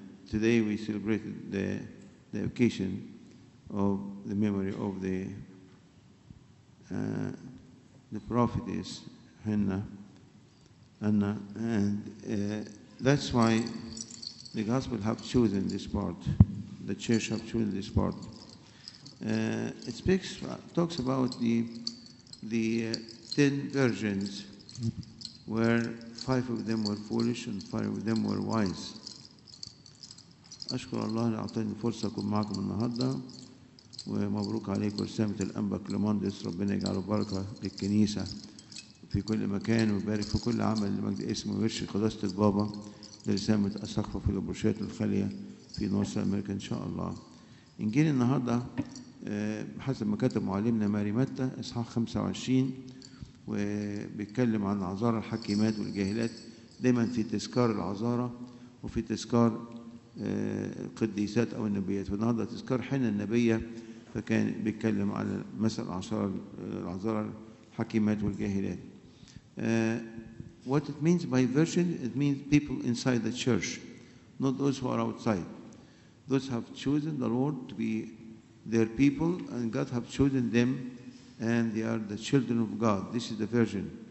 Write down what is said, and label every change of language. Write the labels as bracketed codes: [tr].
[en] Today we celebrate the occasion of the memory of the prophetess Anna, and that's why the Gospel have chosen this part, the Church have chosen this part. It speaks, talks about the 10 virgins, where 5 of them were foolish and 5 of them were wise. [ar] أشكر الله على أعطاني فرصة أكون معكم النهاردة ومبروك عليكم رسامة الأنبا كليماندس ربنا يجعله بركة للكنيسة في كل مكان ويبارك في كل عمل لمجد اسمه ويرش قداسة البابا لرسامة السقف في البرشات الخالية في نورث أمريكا إن شاء الله. إنجيل النهاردة حسب ما كتب معلمنا ماري متى إصحاح 25 وبيتكلم عن عذارى الحكيمات والجاهلات دايما في تذكار العذارى وفي تذكار القديسات أو النبيات. فالنهارده تذكار حنة النبية فكان بيتكلم على مسألة العذارى الحكيمات والجاهلات. [en] What it means by virgin, it means people inside the church, not those who are outside. Those have chosen the Lord to be their people, and God have chosen them, and they are the children of God. This is the virgin.